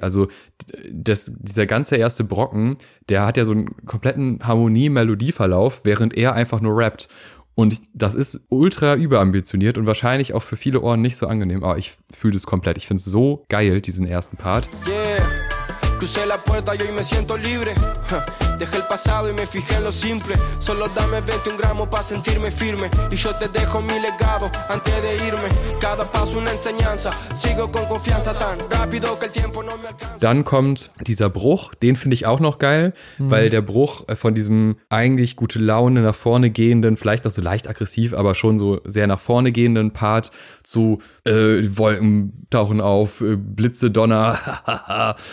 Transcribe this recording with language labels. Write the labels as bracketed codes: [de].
[de] Also dieser ganze erste Brocken, der hat ja so einen kompletten Harmonie-Melodie-Verlauf, während er einfach nur rappt. Und das ist ultra überambitioniert und wahrscheinlich auch für viele Ohren nicht so angenehm. Aber ich fühle es komplett. Ich finde es so geil, diesen ersten Part. Yeah. [es] Crucé la puerta y hoy me siento libre. Dejé el pasado y me fijé en lo simple. Solo dame 21 gramos pa' sentirme firme. Y yo te dejo mi legado antes de irme. Cada paso una enseñanza. Sigo con confianza tan rápido que el tiempo no me alcanza. [de] Dann kommt dieser Bruch. Den finde ich auch noch geil, weil der Bruch von diesem eigentlich gute Laune nach vorne gehenden, vielleicht auch so leicht aggressiv, aber schon so sehr nach vorne gehenden Part zu Wolken tauchen auf, Blitze, Donner.